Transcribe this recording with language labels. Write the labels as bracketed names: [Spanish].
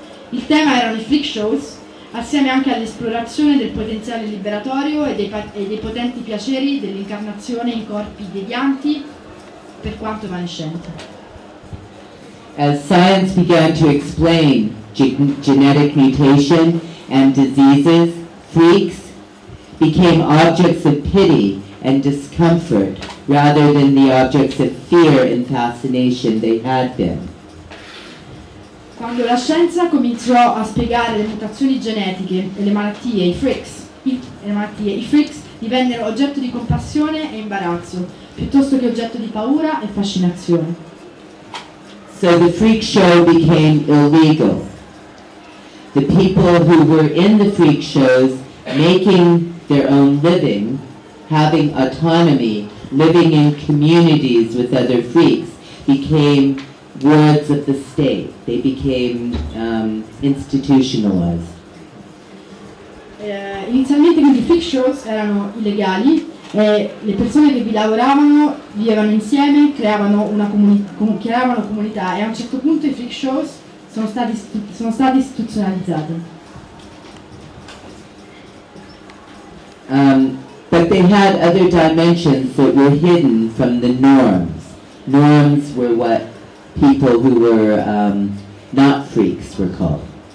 [Italian] Il tema erano i freak shows, assieme anche all'esplorazione del potenziale liberatorio e dei potenti piaceri dell'incarnazione in corpi devianti, per quanto evanescente. [English] As science began to explain genetic mutation and diseases, freaks became objects of pity and discomfort rather than the objects of fear and fascination they had been. [Italian] Quando la scienza cominciò a spiegare le mutazioni genetiche e le malattie, i freaks divennero oggetto di compassione e imbarazzo piuttosto che oggetto di paura e fascinazione. [English] So the freak show became illegal. The people who were in the freak shows making their own living, having autonomy, living in communities with other freaks, became wards of the state. They became institutionalized. [Italian] Inizialmente quindi i freak shows erano illegali e le persone che vi lavoravano vivevano insieme, creavano comunità e a un certo punto i freak shows sono stati istituzionalizzati. [English] But they had other dimensions that were hidden from the norms. Norms were what people who were not freaks were called.